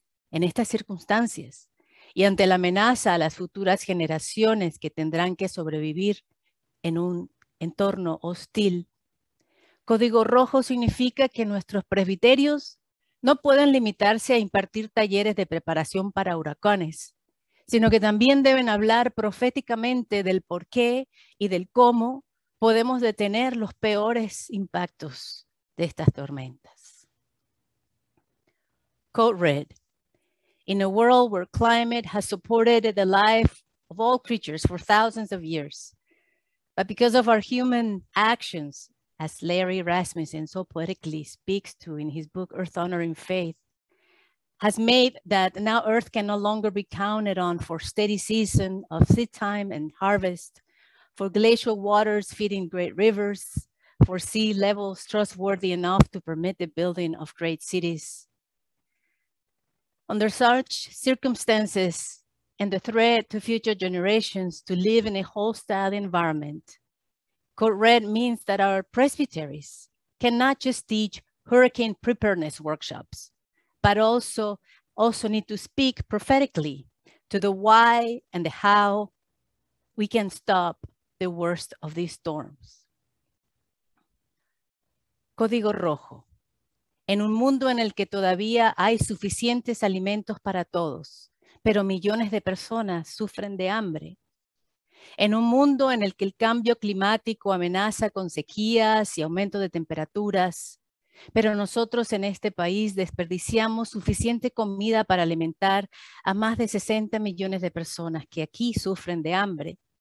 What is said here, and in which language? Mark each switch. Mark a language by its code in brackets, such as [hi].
[es] En estas circunstancias, y ante la amenaza a las futuras generaciones que tendrán que sobrevivir en un entorno hostil, Código Rojo significa que nuestros presbiterios no pueden limitarse a impartir talleres de preparación para huracanes, sino que también deben hablar proféticamente del por qué y del cómo podemos detener los peores impactos de estas tormentas. [en] Code Red. In a world where climate has supported the life of all creatures for thousands of years, but because of our human actions, as Larry Rasmussen so poetically speaks to in his book, Earth Honoring Faith, has made that now Earth can no longer be counted on for steady season of seed time and harvest, for glacial waters feeding great rivers, for sea levels trustworthy enough to permit the building of great cities. Under such circumstances, and the threat to future generations to live in a hostile environment, Code Red means that our presbyteries cannot just teach hurricane preparedness workshops, but also need to speak prophetically to the why and the how we can stop the worst of these storms. [es] Código Rojo. En un mundo en el que todavía hay suficientes alimentos para todos, pero millones de personas sufren de hambre. En un mundo en el que el cambio climático amenaza con sequías y aumento de temperaturas, pero nosotros en este país desperdiciamos suficiente comida para alimentar a más de 60 millones de personas que aquí sufren de hambre.